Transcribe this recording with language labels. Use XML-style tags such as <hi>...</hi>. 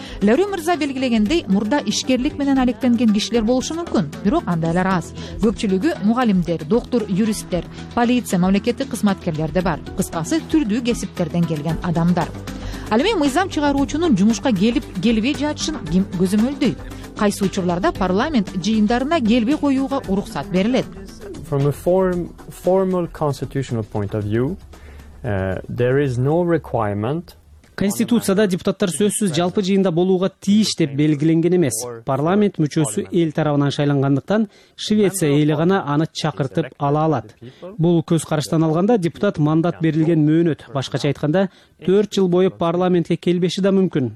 <ky>Лөрү мырза белгилегендей, мурда ишкерлик менен алектенген кишилер болушу мүмкүн, бирок андайлар аз. Көпчүлүгү мугалимдер, доктор, юристтер, полиция, мамлекеттик кызматкерлер да бар. Кыскасы, түрдүү кесиптерден келген адамдар. Ал эми мыйзам чыгаруучунун жумушка келбей жатышын ким көзөмөлдөйт? Кайсы учурларда парламент жыйындарына келбей коюуга уруксат берилет?</ky> <en>From a formal constitutional point of view, there is no requirement.</en> <ky>Конституцияда депутаттар сөзсүз жалпы жыйында болууга тийиш деп белгиленген эмес. Парламент мүчөсү эл тарабынан шайлангандыктан Швеция эли гана аны чакыртып ала алат. Бул көз караштан алганда депутат мандат берилген мөөнөт. Башкача айтканда 4 жыл бою парламентке келбеши да мүмкүн.</ky>